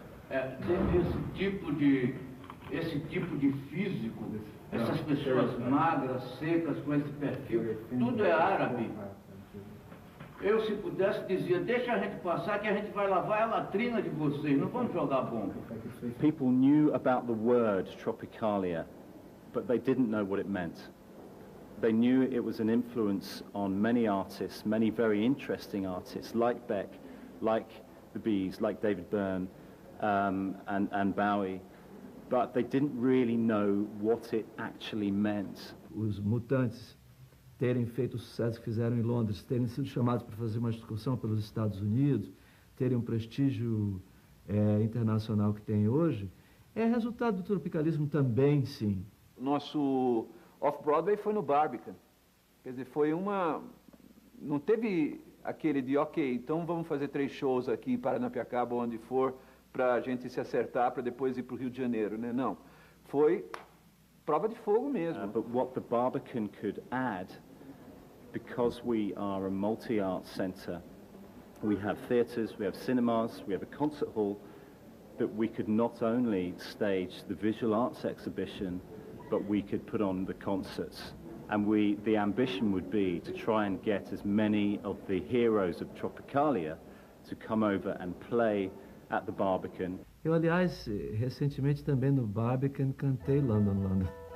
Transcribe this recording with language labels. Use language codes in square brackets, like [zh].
[pt] Esse tipo de físico, essas pessoas magras, secas, com esse perfil, tudo é árabe. Eu, se pudesse, dizia, deixa a gente passar que a gente vai lavar a latrina de vocês, não vamos jogar bomba. [en] People knew about the word Tropicália, but they didn't know what it meant. They knew it was an influence on many artists, many very interesting artists, like Beck, like the Bees, like David Byrne, and Bowie, but they didn't really know what it actually meant. [pt] Os Mutantes terem feito o sucesso que fizeram em Londres, terem sido chamados para fazer uma excursão pelos Estados Unidos, terem um prestígio internacional que tem hoje, é resultado do tropicalismo também, sim. Nosso Off-Broadway foi no Barbican. Quer dizer, foi uma... Não teve aquele de, ok, então vamos fazer três shows aqui em Paranapiacaba ou onde for, para a gente se acertar, para depois ir para o Rio de Janeiro, né? Não. Foi prova de fogo mesmo. [en] But what the Barbican could add, because we are a multi-art center, we have theaters, we have cinemas, we have a concert hall, that we could not only stage the visual arts exhibition, but we could put on the concerts. And the ambition would be to try and get as many of the heroes of Tropicália to come over and play at the Barbican. [pt] Eu, aliás, recentemente também no Barbican cantei London, London.